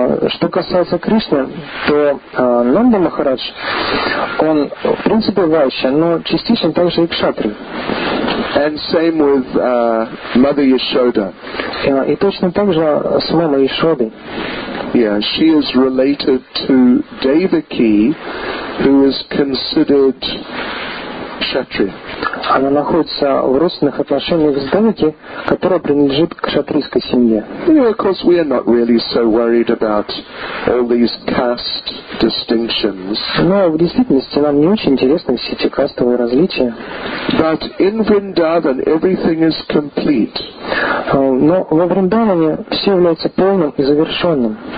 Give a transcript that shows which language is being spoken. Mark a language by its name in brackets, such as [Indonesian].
[Russian] Что касается Кришны, то Нанда Махарадж, он в принципе Вайшья, но частично также и Кшатри. [English] And same with Mother Yashoda. [Russian] И точно так же с мамой Яшодой. [English] Yeah, she is related to Devaki, who is considered Kshatriya. [Russian] Она находится в родственных отношениях с Деваки, которая принадлежит к кшатрийской семье. [English] Yeah, of course, we are not really so worried about all these caste distinctions. [Russian] Но в действительности нам не очень интересны все эти кастовые различия. [English] But in Vrindavan, everything is complete. [Russian] Но во Вриндаване все является полным и завершенным.